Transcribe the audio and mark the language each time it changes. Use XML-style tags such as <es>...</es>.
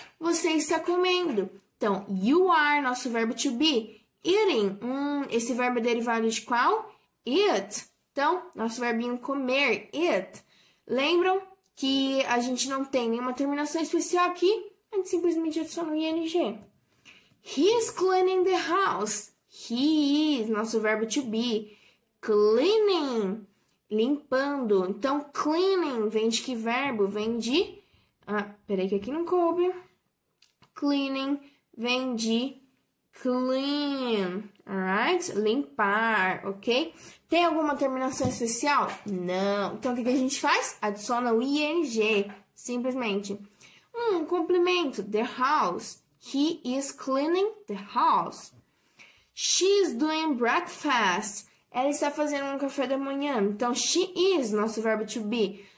<pt>Você está comendo. Então, you are, nosso verbo to be. Eating. Esse verbo é derivado de qual? Eat. Então, nosso verbinho comer, eat. Lembram que a gente não tem nenhuma terminação especial aqui? A gente simplesmente adiciona o ing.</pt> <en>He is cleaning the house.</en> <pt>He is, nosso verbo to be. Cleaning, limpando. Então, cleaning vem de que verbo? Vem de. Ah, peraí que aqui não coube. Cleaning vem de. Clean, alright? Limpar, ok? Tem alguma terminação especial? Não. Então, o que a gente faz? Adiciona o ing, simplesmente. Complemento.</pt> <en>The house. He is cleaning the house. She's doing breakfast.</en> <pt>Ela está fazendo um café da manhã. Então, she is, nosso verbo to be.</pt>